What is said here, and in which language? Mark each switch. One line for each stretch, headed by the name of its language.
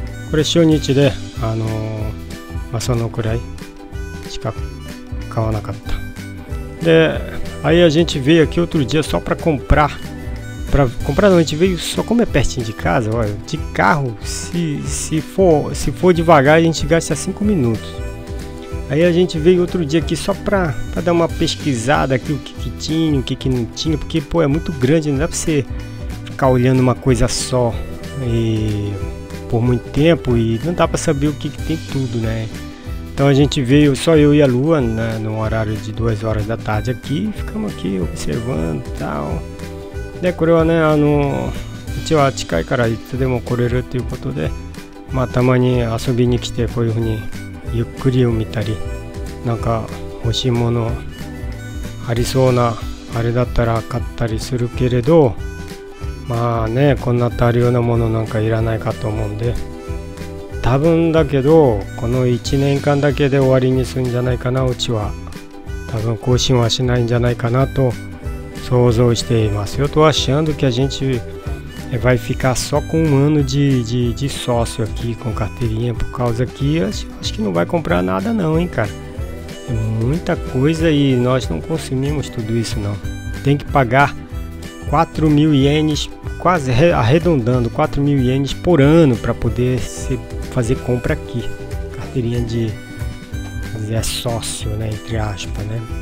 Japanese: これ初日で、まあ、そのくらいしか買わなかった。
Portuguese: で、aí a gente veio aqui outro dia só para comprar. Para comprar não, a gente veio só como é pertinho de casa, olha, de carro, se for devagar a gente gasta 5 minutos. Aí a gente veio outro dia aqui só pra dar uma pesquisada aqui, o que que tinha, o que que não tinha, porque, pô, é muito grande, não dá pra você ficar olhando uma coisa só e por muito tempo e não dá pra saber o que que tem tudo, né? Então a gente veio só eu e a Lua, né, no horário de 2 horas da tarde aqui, ficamos aqui observando e tal.
Japanese: De これはね、うちは近いからいつでも来れるということで、まあたまに遊びに来てこういうふうに。ゆっくりを見たり、なんか欲しいものありそうなあれだったら買ったりするけれど、まあね、こんな足るようなものなんかいらないかと思うんで、多分だけどこの1年間だけで終わりにするんじゃないかな、うちは多分更新はしないんじゃないかなと想像しています。
Portuguese: Eu tô achando que a gente vai ficar só com um ano de sócio aqui com carteirinha, por causa que acho que não vai comprar nada não, hein, cara. É muita coisa e nós não consumimos tudo isso não. Tem que pagar 4 mil ienes, quase arredondando, 4 mil ienes por ano para poder fazer compra aqui. Carteirinha de sócio, né, entre aspas, né.